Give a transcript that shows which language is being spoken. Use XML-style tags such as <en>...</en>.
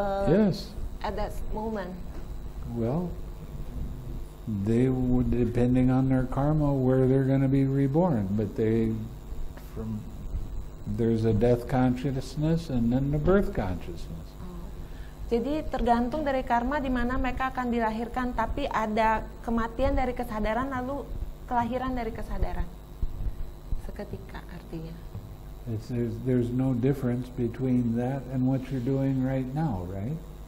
<en>yes, at that moment. Well, they would, depending on their karma, where they're going to be reborn. But they, from there's a death consciousness and then the birth consciousness.</en> <id>Jadi tergantung dari karma di mana mereka akan dilahirkan, tapi ada kematian dari kesadaran lalu kelahiran dari kesadaran. Seketika artinya.</id> <en>There's no difference between that and what you're doing right now, right?</en>